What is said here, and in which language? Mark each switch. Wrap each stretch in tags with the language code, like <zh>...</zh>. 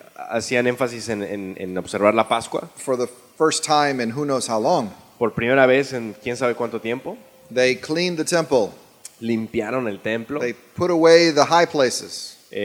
<es>Hacían énfasis en observar la Pascua.</es> <en>For the first time in who knows how long.</en> <es>Por primera vez en quién sabe cuánto tiempo.</es> <en>They cleaned the temple.</en> <es>Limpiaron el templo.</es> <en>They put away the high places.</en>